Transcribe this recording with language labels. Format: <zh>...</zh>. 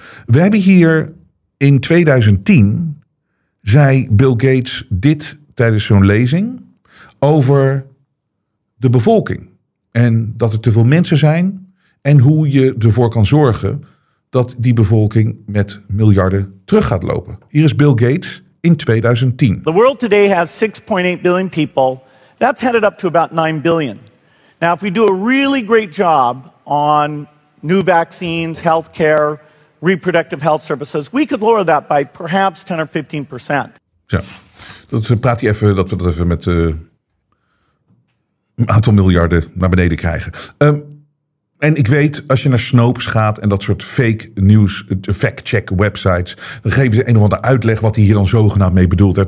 <nl>We hebben hier in 2010. Zei Bill Gates dit tijdens zo'n lezing. Over de bevolking. En dat er te veel mensen zijn. En hoe je ervoor kan zorgen dat die bevolking met miljarden terug gaat lopen. Hier is Bill Gates in 2010.</nl> <en>The world today has 6.8 billion people. That's headed up to about 9 billion. Now, if we do a really great job on new vaccines, healthcare, reproductive health services, we could lower that by perhaps 10 or 15%.</en> <nl>Ja, dat praat hij even, dat we dat even met een aantal miljarden naar beneden krijgen. En ik weet, als je naar Snopes gaat en dat soort fake news, fact-check websites, dan geven ze een of andere uitleg wat hij hier dan zogenaamd mee bedoeld heeft.</nl>